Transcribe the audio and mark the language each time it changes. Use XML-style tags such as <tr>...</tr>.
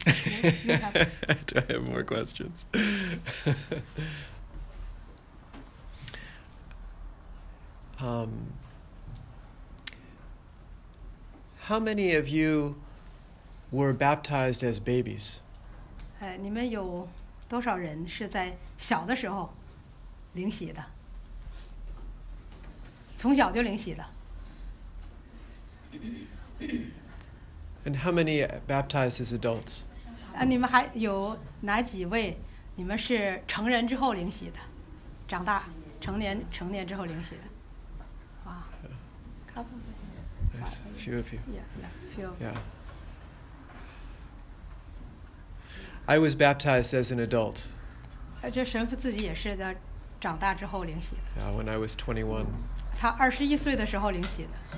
<en>Do I have more questions? How many of you were baptized as babies?</en> <zh>你们有多少人是在小的时候灵洗的？从小就灵洗的？</zh> <en>And how many baptized as adults?</en> <zh>你们还有哪几位？你们是成人之后灵洗的，长大成年之后灵洗的。</zh> <en>Few of you. Yeah, few. Yeah. I was baptized as an adult.</en> <zh>这神父自己也是在长大之后领洗的。</zh> <en>Yeah, when I was 21.</en> <zh>他二十一岁的时候领洗的。</zh>